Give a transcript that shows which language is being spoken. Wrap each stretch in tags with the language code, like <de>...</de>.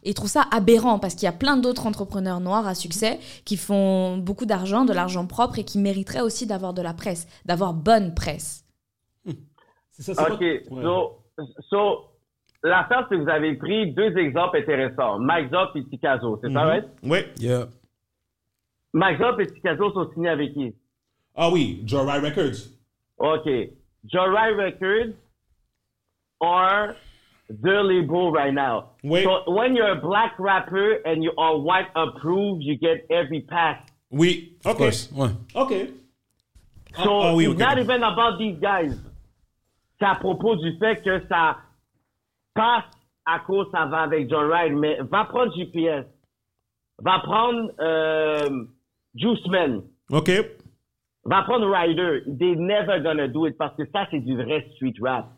<fr>Ils trouvent ça aberrant parce qu'il y a plein d'autres entrepreneurs noirs à succès qui font beaucoup d'argent, de l'argent propre et qui mériteraient aussi d'avoir de la presse, d'avoir bonne presse. C'est ça, c'est ok, donc... Ouais. So, l'affaire, c'est que vous avez pris deux exemples intéressants, Mike Zop et Tikazo, c'est mm-hmm. ça, right? Oui,</fr> <en>yeah.</en> <fr>Mike Zop et Tikazo sont signés avec qui? Ah oui, Jorai Records. OK.</fr> <en>Jorai Records are the label right now.</en> <fr>Oui.</fr> <en>So, when you're a black rapper and you are white approved, you get every pass.</en> <fr>Oui,</fr> <en>of course.</en> <fr>Ouais. OK.</fr> <en>So, it's not even about these guys.</en> <fr>C'est à propos du fait que ça passe à cause, ça va avec John Ryan, mais va prendre GPS. Va prendre Juiceman. OK. Va prendre Ryder.</fr> <en>They're never gonna do it</en> <fr>parce que ça, c'est du vrai street rap.</fr>